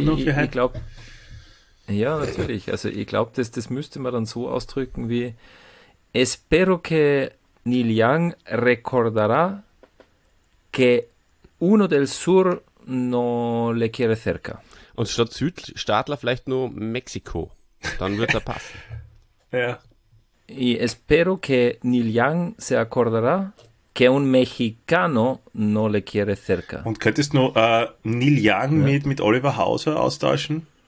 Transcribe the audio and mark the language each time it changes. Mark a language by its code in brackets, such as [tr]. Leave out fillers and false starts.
[de] ja, noch für heute? Ja, natürlich. Also ich glaube, das müsste man dann so ausdrücken wie [es] Espero que Neil Young recordará que uno del sur no le quiere cerca. [de] Und statt Südstaatler vielleicht nur Mexiko. Dann wird er passen. Ja. [es] Y espero que Neil Young se acordará que un mexicano no le quiere cerca. [de] Und könntest du noch Neil Young mit Oliver Hauser austauschen?